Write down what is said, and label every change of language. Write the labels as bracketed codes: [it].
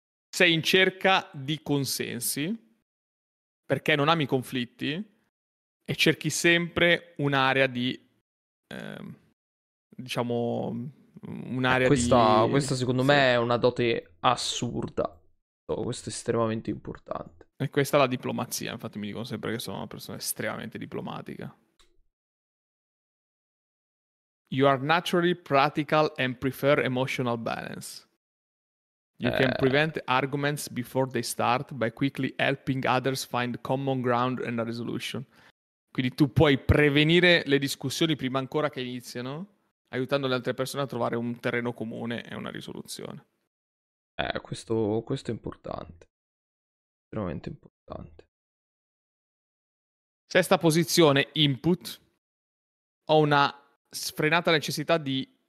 [it] Sei in cerca di consensi perché non ami i conflitti e cerchi sempre un'area di, diciamo, un'area Questa di. secondo Sì. me è una dote assurda. Questo è estremamente importante. E questa è la diplomazia, infatti mi dicono sempre che sono una persona estremamente diplomatica. [en] You are naturally practical and prefer emotional balance. You can prevent arguments before they start by quickly helping others find common ground and a resolution. [it] Quindi tu puoi prevenire le discussioni prima ancora che iniziano, aiutando le altre persone a trovare un terreno comune e una risoluzione. Questo è importante. Estremamente importante. Sesta posizione, input. Ho una sfrenata necessità di